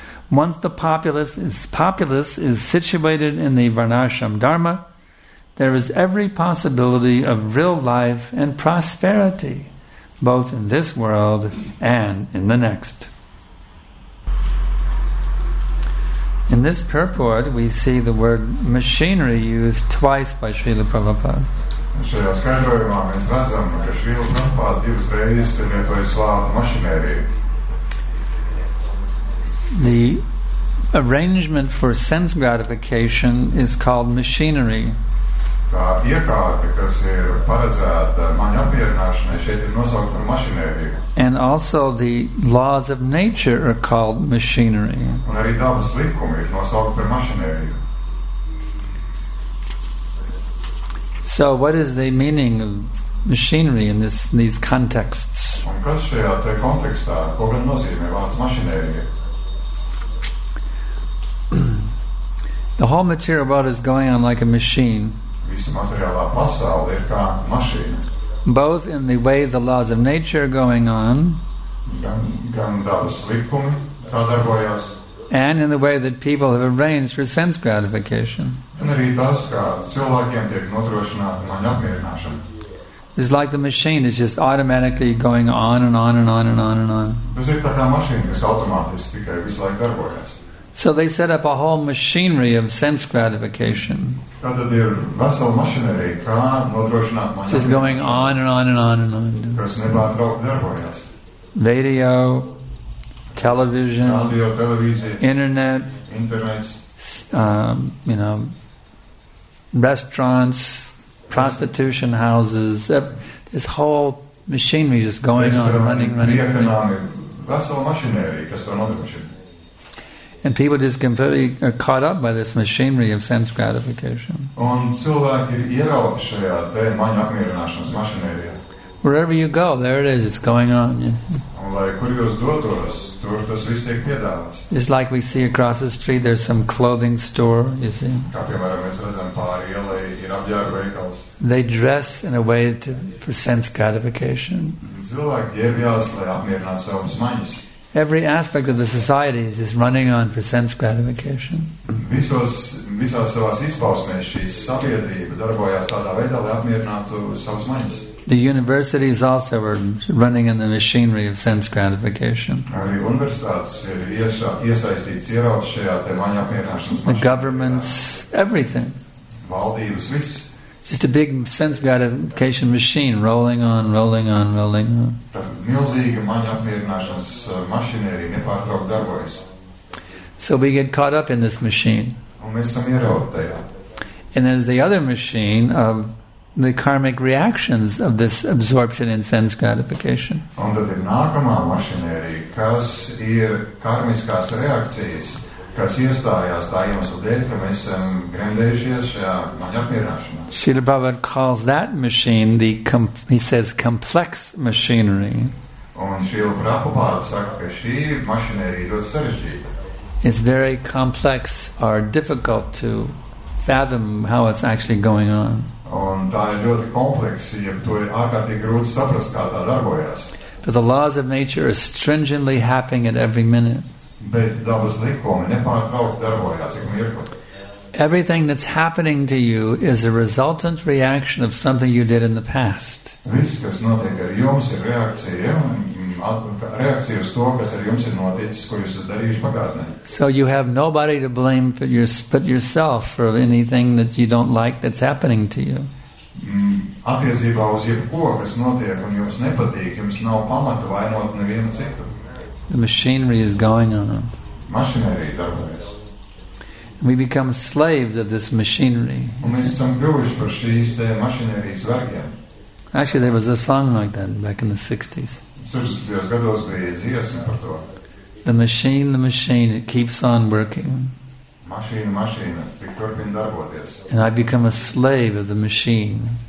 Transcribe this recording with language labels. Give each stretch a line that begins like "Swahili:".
English: Once the populace is situated in the varnashrama dharma, there is every possibility of real life and prosperity, both in this world and in the next. In this purport, we see the word machinery used twice by Srila Prabhupada.
Latvian: Šajā skaidrojumā mēs redzam, ka Srila Prabhupada divas reizes lietojis vārdu mašinērija.
English: The arrangement for sense gratification is called machinery.
Latvian: Tā iekārte, kas ir paredzēta maņu apmierināšanai, šeit ir nosaukta par mašinēriju.
English: And also the laws of nature are called machinery.
Latvian: Un arī dabas likumi ir nosaukta par mašinēriju.
English: So what is the meaning of machinery in this in these contexts?
Latvian: Un kas šajā te kontekstā, ko gan nozīmē vārds mašinērija?
English: The whole material world is going on like a machine.
Latvian: Visa materiālā pasaule ir kā mašīna.
English: Both in the way the laws of nature are going on,
Latvian: gan dabas likumi tā darbojas,
English: and in the way that people have arranged for sense gratification.
Latvian: Un arī tas, kā cilvēkiem tiek nodrošināta maņu apmierināšana.
English: It's like the machine is just automatically going on and on and on and on and on.
Latvian: Tas ir tā kā mašīna, kas automātiski tikai visu laiku darbojas.
English: So they set up a whole machinery of sense gratification.
Latvian: Tātad ir vesela mašinerija, kā nodrošināt maņu apmierināšanu.
English: It's going on and on and on and on.
Latvian: Kas nepārtraukti darbojas.
English: Radio, television,
Latvian: audio, televīzija,
English: internets, restaurants, prostitution houses, this whole machinery is just going on, running.
Latvian: Vesela mašinerija, kas to nodrošina.
English: And people just completely are caught up by this machinery of sense gratification.
Latvian: Un cilvēki ir ierauti šajā te maņu apmierināšanas mašinērijā.
English: Wherever you go, there it is, it's going on.
Latvian: Un lai kur jūs dotos, tur tas viss tiek piedāvāts.
English: It's like we see across the street, there's some clothing store, you see.
Latvian: Kā piemēram, mēs redzam pāri ielai, ir apģērba veikals.
English: They dress in a way for sense gratification.
Latvian: Cilvēki ģērbjās, lai apmierinātu savas maņas.
English: Every aspect of the society is just running on for sense gratification.
Latvian: Visās savās izpausmēs šī sabiedrība darbojas tādā veidā, lai apmierinātu savas maņas.
English: The universities also are running in the machinery of sense gratification.
Latvian: Arī universitātes ir iesaistītas ierauts šajā te maņu apmierināšanas mašīnā.
English: The governments, everything.
Latvian: Valdības, viss.
English: Just a big sense gratification machine rolling on, rolling on, rolling on.
Latvian: Milzīga maņu apmierināšanas mašinērija nepārtraukti darbojas.
English: So we get caught up in this machine.
Latvian: Un mēs esam ierauti tajā.
English: And there's the other machine of the karmic reactions of this absorption in sense gratification.
Latvian: Un tad ir nākamā mašinērija, kas ir karmiskās reakcijas, kas iestājās tā iemesla dēļ, ka mēs esam gremdējušies šajā maņu apmierināšanā.
English: Srila Prabhupada calls that machine the, he says, complex machinery.
Latvian: Un Srila Prabhupada saka, ka šī mašinērija ir ļoti sarežģīta.
English: It's very complex or difficult to fathom how it's actually going on.
Latvian: Un tā ir ļoti kompleksa, ja to ir ārkārtīgi grūti saprast, kā tā darbojas.
English: But the laws of nature are stringently happening at every minute.
Latvian: Bet dabas likumi nepārtraukti darbojas ik mirkli.
English: Everything that's happening to you is a resultant reaction of something you did in the past.
Latvian: Viss, kas notiek ar jums, ir reakcija uz to, kas ar jums ir noticis, ko jūs esat darījuši pagātnē.
English: So you have nobody to blame but yourself for anything that you don't like that's happening to you.
Latvian: attiecībā uz jebko, kas notiek, un jums nepatīk, jums nav pamata vainot nevienu citu.
English: The machinery is going on.
Latvian: Mašinerija darbojas.
English: We become slaves of this machinery.
Latvian: Un mēs esam kļuvuši par šīs te mašinerijas vergiem.
English: Actually, there was a song like that back in the 60s. The machine, it keeps on working. And I become a slave of the machine.